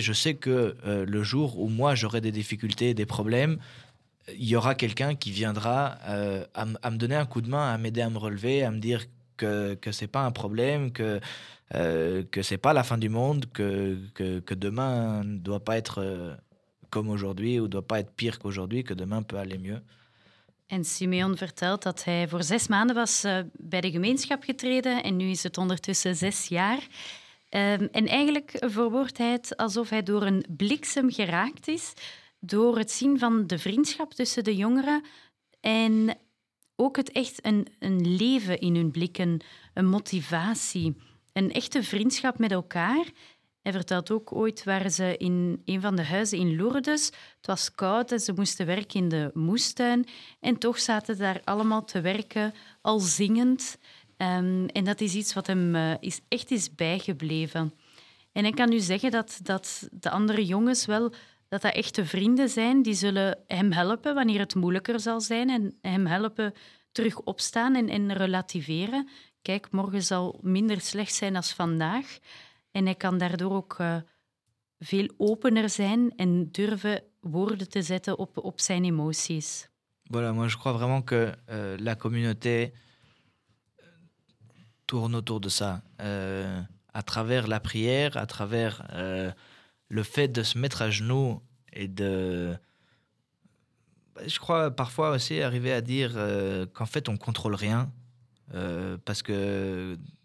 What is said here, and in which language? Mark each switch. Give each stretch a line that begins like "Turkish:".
French: Je sais que le jour où moi, j'aurai des difficultés, des problèmes, il y aura quelqu'un qui viendra à me donner un coup de main, à m'aider à me relever, à me dire que c'est pas un problème, que c'est pas la fin du monde, que demain ne doit pas être comme aujourd'hui ou ne doit pas être pire qu'aujourd'hui, que demain peut aller mieux.
Dutch: En Simeon vertelt dat hij voor 6 maanden was bij de gemeenschap getreden en nu is het ondertussen 6 jaar. En eigenlijk verwoordt hij het alsof hij door een bliksem geraakt is door het zien van de vriendschap tussen de jongeren en ook het echt een leven in hun blik, een motivatie, een echte vriendschap met elkaar. Hij vertelt ook ooit waren ze in een van de huizen in Lourdes. Het was koud en ze moesten werken in de moestuin. En toch zaten ze daar allemaal te werken, al zingend. En dat is iets wat hem echt is bijgebleven. En ik kan nu zeggen dat de andere jongens wel, dat dat echte vrienden zijn. Die zullen hem helpen wanneer het moeilijker zal zijn. En hem helpen terug opstaan en relativeren. Kijk, morgen zal minder slecht zijn als vandaag. En hij kan daardoor ook veel opener zijn en durven woorden te zetten op zijn emoties.
French: Voilà, moi je crois vraiment que la communauté tourne autour de ça. À travers la prière, à travers le fait de se mettre à genoux et de... Je crois parfois aussi arriver à dire qu'en fait on ne contrôle rien. Parce que...